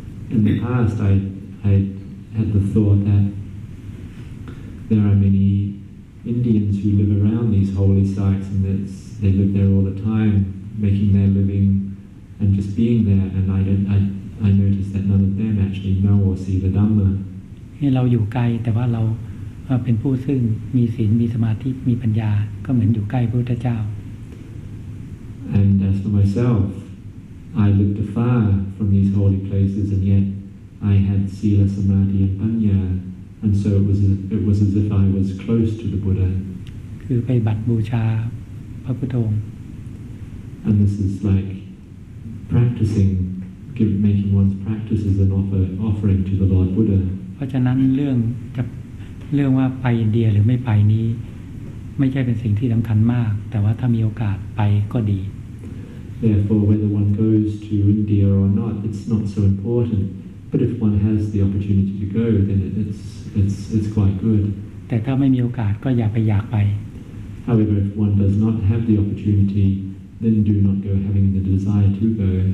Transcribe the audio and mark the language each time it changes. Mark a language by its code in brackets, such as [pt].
[en] In the past I had the thought that there are many Indians who live around these holy sites and that they live there all the time making their living and just being there and I noticed that none of them actually know or see the Dhamma [th] เราอยู่ไกลแต่ว่าเราเป็นผู้ซึ่งมีศีลมีสมาธิมีปัญญาก็เหมือนอยู่ใกล้พระพุทธเจ้า [en] And as for myself I lived afar from these holy places and yet I had sila samadhi and panya and so it was as if I was close to the Buddha [th] คือไปบัตรบูชาพระพุทธองค์ [en] And this is like practicing making one's practices an offering to the Lord Buddha [th] เพราะฉะนั้นเรื่องว่าไปอินเดียหรือไม่ไปนี้ไม่ใช่เป็นสิ่งที่สำคัญมากแต่ว่าถ้ามีโอกาสไปก็ดี [en] Therefore whether one goes to India or not it's not so important but if one has the opportunity to go then it's quite good [th] แต่ถ้าไม่มีโอกาสก็อย่าไปอยากไป [en] However if one does not have the opportunity then do not go having the desire to go